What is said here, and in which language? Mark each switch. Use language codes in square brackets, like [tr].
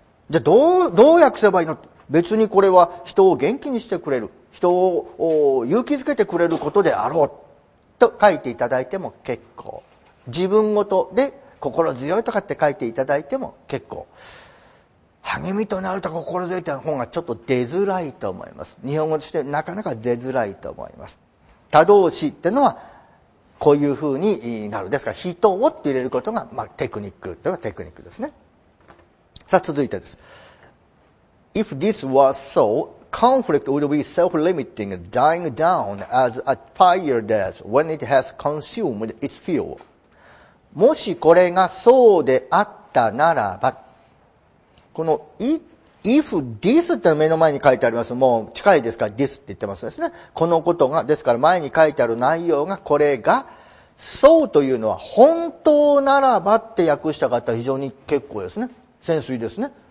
[ja] じゃあどう訳せばいいの、別にこれは人を元気にしてくれる、人を勇気づけてくれることであろうと書いていただいても結構、自分ごとで心強いとかって書いていただいても結構、励みとなると心強いという本がちょっと出づらいと思います。日本語としてなかなか出づらいと思います。他動詞ってのはこういうふうになる、ですから人をって入れることが、まあ、テクニックというかテクニックですね。さあ続いてです。 [en] If this was so, conflict would be self-limiting, dying down as a fire does when it has consumed its fuel. [ja] もしこれがそうであったならば、この if this って目の前に書いてあります。もう近いですから this って言ってますですね。このことが、ですから前に書いてある内容が、これが so というのは本当ならばって訳した方は非常に結構ですね。潜水ですね。